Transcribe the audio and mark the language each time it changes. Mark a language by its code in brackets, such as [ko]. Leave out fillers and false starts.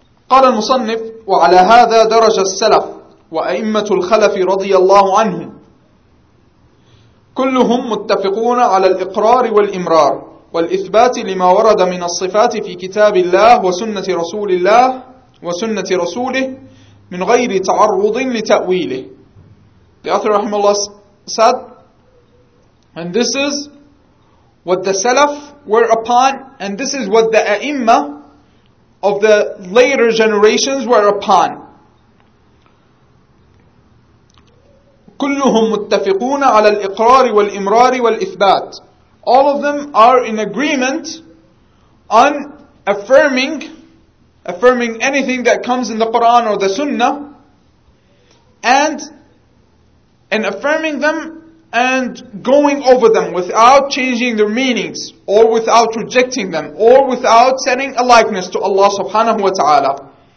[ar] قال المصنف: وعلى هذا درج السلف وأئمة الخلف رضي الله عنهم، كلهم متفقون على الإقرار والإمرار والإثبات لما ورد من الصفات في كتاب الله وسنة رسول الله وسنة رسوله من غير تعرض لتأويله. [en] The author [ar] رحمه الله [en] said, and this is what the Salaf were upon, and this is what the A'imma of the later generations were upon. [ar] كلهم متفقون على الإقرار والإمرار والإثبات. [en] All of them are in agreement on affirming anything that comes in the Quran or the Sunnah, and affirming them and going over them without changing their meanings, or without rejecting them, or without setting a likeness to Allah subhanahu wa ta'ala.